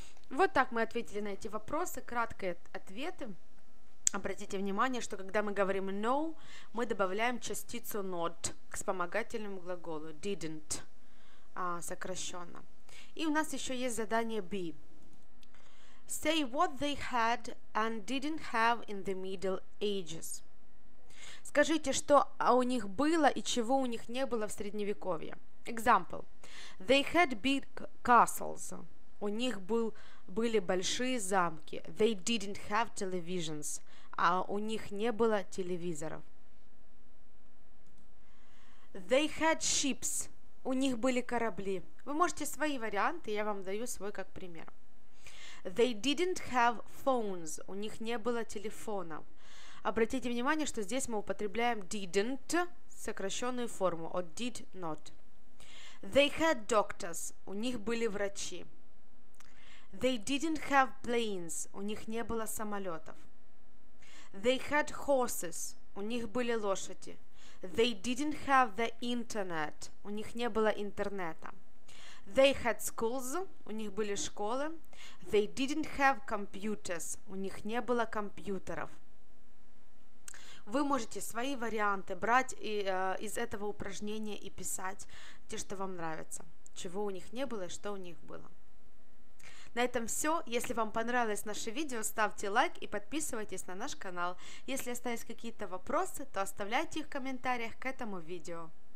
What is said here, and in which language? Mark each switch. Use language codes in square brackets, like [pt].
[ru] Вот так мы ответили на эти вопросы, краткие ответы. Обратите внимание, что когда мы говорим no, мы добавляем частицу not к вспомогательному глаголу didn't, сокращенно. И у нас еще есть задание B. [en] Say what they had and didn't have in the Middle Ages. [ru] Скажите, что у них было и чего у них не было в Средневековье. [en] Example. They had big castles. [ru] У них были большие замки. [en] They didn't have televisions. [ru] А у них не было телевизоров. [en] They had ships. [ru] У них были корабли. Вы можете свои варианты, я вам даю свой как пример. [en] They didn't have phones. [ru] У них не было телефонов. Обратите внимание, что здесь мы употребляем didn't, сокращенную форму, [en] or did not. They had doctors. [ru] У них были врачи. [en] They didn't have planes. [ru] У них не было самолетов. [en] They had horses. [ru] У них были лошади. [en] They didn't have the internet. [ru] У них не было интернета. [en] They had schools. [ru] У них были школы. [en] They didn't have computers. [ru] У них не было компьютеров. Вы можете свои варианты брать из этого упражнения и писать те, что вам нравятся. Чего у них не было и что у них было. На этом все. Если вам понравилось наше видео, ставьте лайк и подписывайтесь на наш канал. Если остались какие-то вопросы, то оставляйте их в комментариях к этому видео.